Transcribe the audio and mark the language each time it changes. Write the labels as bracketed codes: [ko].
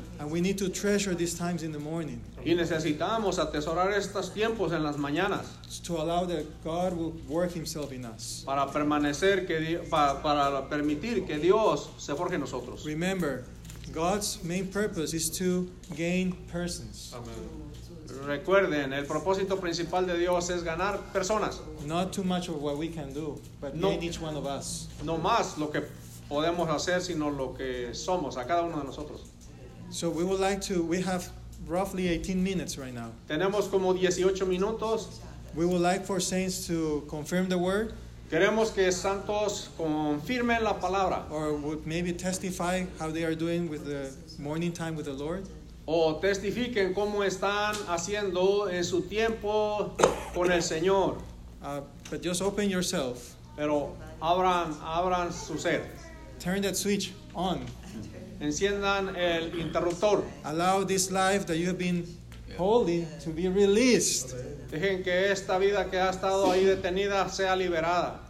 [en] And we need to treasure these times in the morning. [es] Y necesitamos atesorar estos tiempos en las mañanas. [en] To allow that God will work himself in us. [es] Para permanecer que para permitir que Dios se forje en nosotros. [en] Remember, God's main purpose is to gain persons. Amen. [es] Recuerden, el propósito principal de Dios es ganar personas. [en] Not too much of what we can do, but gain each one of us. [es] No más lo que podemos hacer, sino lo que somos a cada uno de nosotros. [en] So we would like to, we have roughly 18 minutes right now. [es] Tenemos como 18 minutos. [en] We would like for saints to confirm the word. [es] Queremos que santos confirmen la palabra. [en] Or would maybe testify how they are doing with the morning time with the Lord. [es] O testifiquen cómo están haciendo en su tiempo con el Señor. [en] But just open yourself. [es] Pero abran su ser. [en] Turn that switch on. [es] Enciendan el interruptor. [en] Allow this life that you have been holding to be released. [es] Dejen que esta vida que ha estado ahí detenida sea liberada.